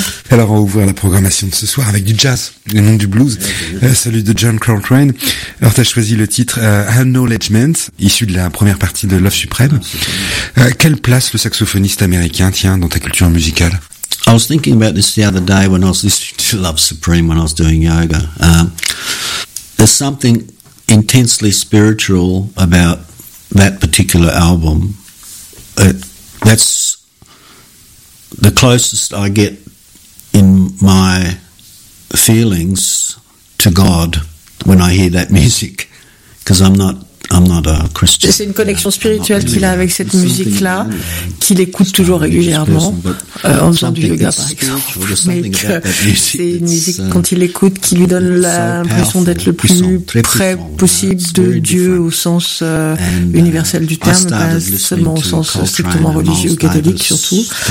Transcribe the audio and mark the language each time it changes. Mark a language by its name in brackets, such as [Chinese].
[French] Alors on va ouvrir la programmation de ce soir avec du jazz, le nom du blues, celui de John Coltrane. Alors t'as choisi le titre Acknowledgement, issu de la première partie de Love Supreme. Quelle place le saxophoniste américain tient dans ta culture musicale? [English] I was thinking about this the other day when I was listening to Love Supreme when I was doing yoga. There's something intensely spiritual about that particular album. That's the closest I get in my feelings to God when I hear that music, because I'm not a Christian. [French] C'est une connexion spirituelle qu'il a avec cette musique-là, qu'il écoute toujours régulièrement, en faisant du yoga, par exemple. Mais que c'est une musique, quand il l'écoute, qui lui donne l'impression d'être le plus près possible de Dieu au sens universel du terme, pas seulement au sens strictement religieux ou catholique, surtout.